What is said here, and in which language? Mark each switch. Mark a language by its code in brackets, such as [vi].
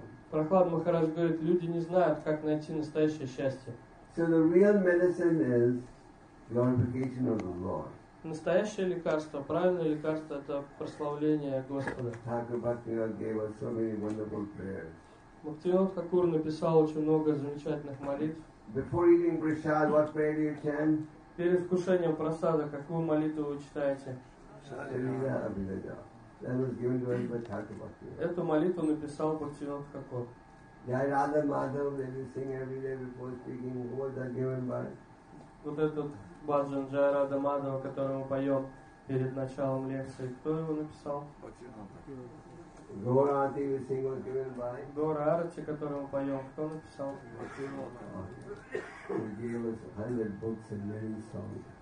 [ru] Прохлад Махарадж говорит, люди не знают, как найти настоящее счастье. [en] So the real medicine is glorification of the Lord. [ru] Настоящее лекарство, правильное лекарство – это прославление Господа. [en] Thakur Bhaktivinoda gave us so many wonderful prayers. [ru] Бхактивинод Хакур написал очень много замечательных молитв. [en] Before eating prasad, what prayer do you chant? [ru] Перед вкушением прасада, какую молитву вы читаете? Шалила Абхинадо. [en] That was given to us by Thakur Bhaktivinoda. [ru] Эту молитву написал Бхактивинод Хакур. [en] Jai Radha Madhav, that you sing every day before speaking, who was that given by? [ru] Вот этот баджан Джай Радха Мадхава, который мы поем перед началом лекции. Кто его написал? [en] Гаура Арати, we sing, was given by? [ru] Гаура Арати, который мы поем, кто написал? [en] He gave us 100 books and many songs.